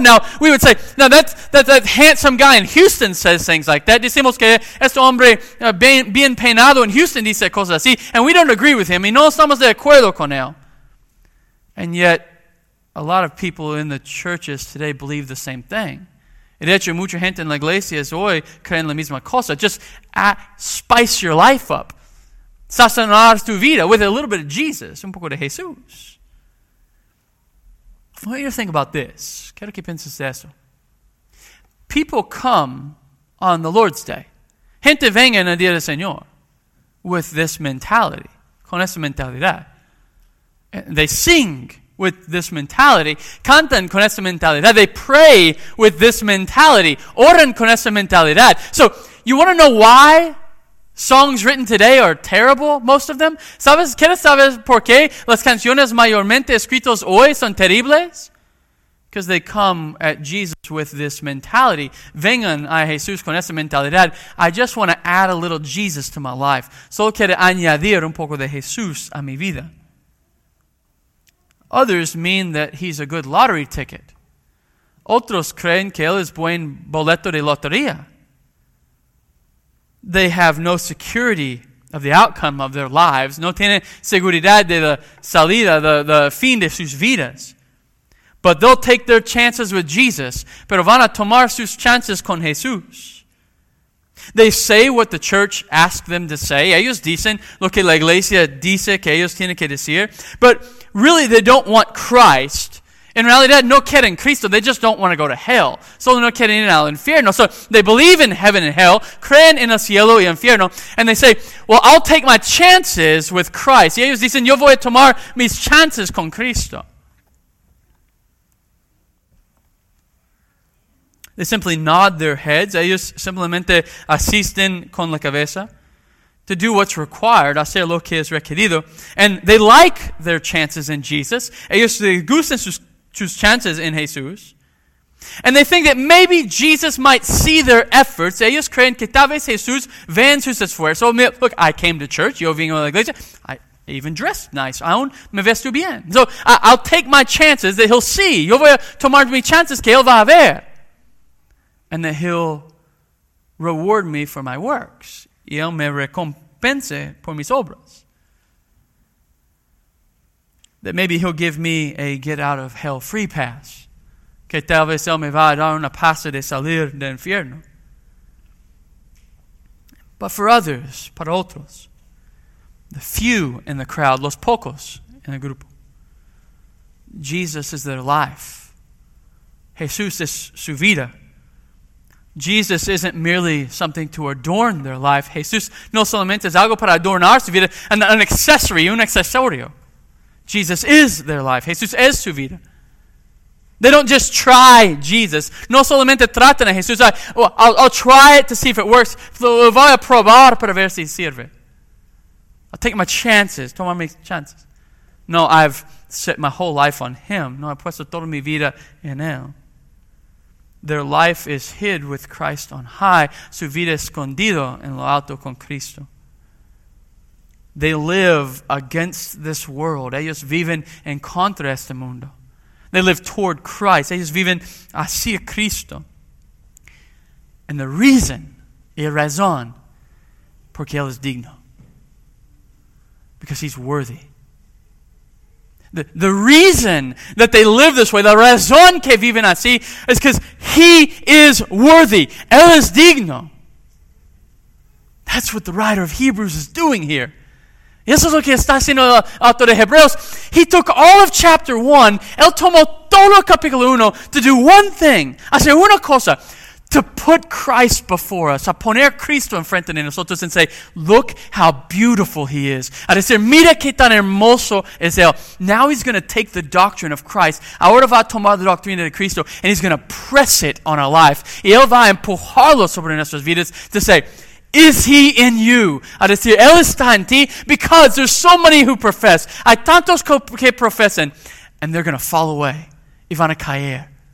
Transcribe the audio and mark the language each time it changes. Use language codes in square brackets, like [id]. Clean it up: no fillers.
[en] Now, we would say, now that handsome guy in Houston says things like that. [es] Decimos que este hombre bien peinado en Houston dice cosas así, [en] and we don't agree with him. [es] Y no estamos de acuerdo con él. [en] And yet, a lot of people in the churches today believe the same thing. [es] De hecho, mucha gente en la iglesia es hoy creen la misma cosa. [en] Just spice your life up. [es] Sazonar tu vida [en] with a little bit of Jesus, [es] un poco de Jesús. [en] I want you to think about this. [es] Quiero que pienses de eso. [en] People come on the Lord's Day. [es] Gente venga en el día del Señor [en] with this mentality. [es] Con esa mentalidad. [en] They sing with this mentality, [es] cantan con esa mentalidad, [en] they pray with this mentality, [es] oran con esa mentalidad. [en] So, you want to know why songs written today are terrible, most of them? [es] ¿Sabes? ¿Quieres saber por qué las canciones mayormente escritas hoy son terribles? [en] Because they come at Jesus with this mentality. [es] Vengan a Jesús con esa mentalidad. [en] I just want to add a little Jesus to my life. [es] Solo quiero añadir un poco de Jesús a mi vida. [en] Others mean that he's a good lottery ticket. [es] Otros creen que él es buen boleto de lotería. [en] they have no security of the outcome of their lives. [es] No tienen seguridad de la salida, the fin de sus vidas. [en] But they'll take their chances with Jesus. [es] Pero van a tomar sus chances con Jesús. [en] They say what the church asks them to say. [es] Ellos dicen lo que la iglesia dice que ellos tienen que decir. [en] But really, they don't want Christ. [es] En realidad, no quieren Cristo. [en] They just don't want to go to hell. [es] Solo no quieren ir al infierno. [en] So they believe in heaven and hell, [es] creen en el cielo y infierno, [en] and they say, well, I'll take my chances with Christ. [es] Y ellos dicen, yo voy a tomar mis chances con Cristo. [en] They simply nod their heads. [es] Ellos simplemente asisten con la cabeza [en] to do what's required, [es] hacer lo que es requerido. [en] And they like their chances in Jesus. [es] Ellos gustan sus chances in Jesús. [en] And they think that maybe Jesus might see their efforts. [es] Ellos creen que tal vez Jesús vean sus esfuerzos. [en] So, look, I came to church. [es] Yo vengo a la iglesia. [en] I even dressed nice. [es] Aún me vesto bien. [en] So I'll take my chances that he'll see. [es] Yo voy a tomar mis chances que él va a ver. [en] And that he'll reward me for my works. [es] Y él me recompense por mis obras. [en] That maybe he'll give me a get out of hell free pass. [es] Que tal vez él me va a dar una pase de salir del infierno. [en] But for others, [es] para otros, [en] the few in the crowd, [es] los pocos en el grupo, [en] Jesus is their life. [es] Jesús es su vida. [en] Jesus isn't merely something to adorn their life. [es] Jesús no solamente es algo para adornar su vida, [en] an accessory, [es] un accesorio. [en] Jesus is their life. [es] Jesús es su vida. [en] They don't just try Jesus. [es] No solamente tratan a Jesús. [en] I'll try it to see if it works. [es] Lo voy a probar para ver si sirve. [en] I'll take my chances. [es] Tomar mis chances. [en] No, I've set my whole life on him. [es] No, he puesto toda mi vida en él. [en] Their life is hid with Christ on high. [es] Su vida escondido en lo alto con Cristo. [en] They live against this world. [es] Ellos viven en contra este mundo. They live toward Christ. Ellos viven hacia Cristo. [en] And the reason, [es] y razón, porque él es digno. [en] Because he's worthy. The reason that they live this way, [es] the razón que viven así, [en] is because he is worthy. [es] Él es digno. [en] That's what the writer of Hebrews is doing here. [es] Eso es lo que está haciendo el autor de Hebreos. [en] He took all of chapter 1, [es] él tomó todo capítulo 1 [en] to do one thing. [es] Hacer una cosa. [en] To put Christ before us. [es] A poner Cristo enfrente de nosotros [en] and say, look how beautiful he is. [es] A decir, mira que tan hermoso es él. [en] Now he's going to take the doctrine of Christ. [es] Ahora va a tomar la doctrina de Cristo [en] and he's going to press it on our life. [es] Y él va a empujarlo sobre nuestras vidas [en] to say, is he in you? [es] A decir, él está en ti. [en] Because there's so many who profess. [es] Hay tantos que profesan. [en] And they're going to fall away. [es] Y van a caer.